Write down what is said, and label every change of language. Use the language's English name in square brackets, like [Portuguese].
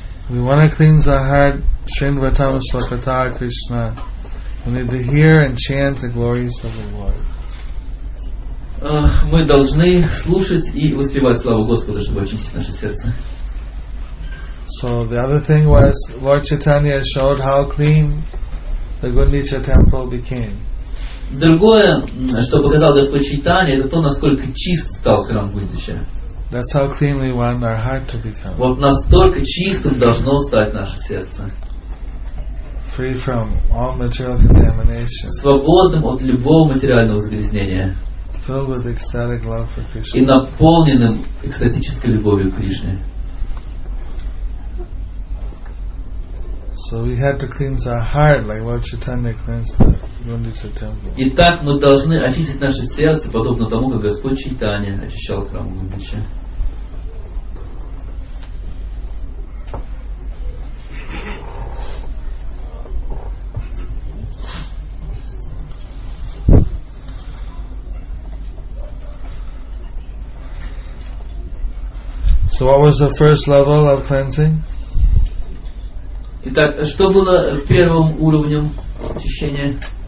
[English] We want to cleanse our heart, Srinivatam Swakata Krishna We need to hear and chant the glories of the Lord. [Russian] Мы должны слушать и воспевать славу Господа, чтобы очистить наше сердце. [English] So the other thing was, Lord Chaitanya showed how clean the Gundicha temple became. [Russian] Другое, что показал Господь Чайтанья, это то, насколько чист стал храм Гундича. [English] That's how clean we want our heart to become. [Russian] Вот настолько чистым должно стать наше сердце. [English] Free from all material contamination. [Russian] Свободным от любого материального загрязнения. [English] Filled with ecstatic love for Krishna. [Russian] И наполненным экстатической любовью к Кришне. [English] So we had to cleanse our heart like Lord Chaitanya cleansed the Gundicha temple. [Russian] Итак, мы должны очистить наше сердце подобно тому, как Господь Чайтанья очищал храм Гундича. [English] So what was the first level of cleansing? [Russian] Итак, что было первым уровнем очищения?